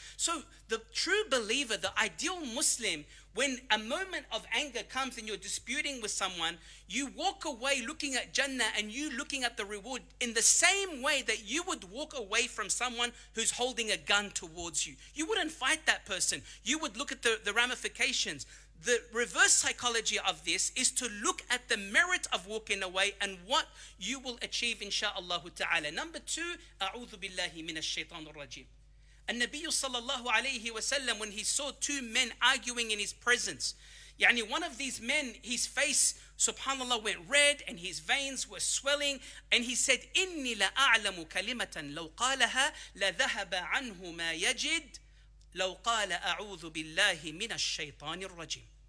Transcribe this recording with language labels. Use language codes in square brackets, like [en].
[en] So the true believer, the ideal Muslim, when a moment of anger comes and you're disputing with someone, you walk away looking at Jannah and you looking at the reward in the same way that you would walk away from someone who's holding a gun towards you. You wouldn't fight that person. You would look at the ramifications. The reverse psychology of this is to look at the merit of walking away and what you will achieve, insha'Allah ta'ala. Number two, [ar] أعوذ بالله من الشيطان الرجيم. النبي صلى الله عليه وسلم, [en] when he saw two men arguing in his presence, يعني one of these men, his face, subhanAllah, went red and his veins were swelling, and he said, [ar] إني لأعلم كلمة لو قالها لذهب عنه ما يجد. لو قال أعوذ بالله من الشيطان الرجيم.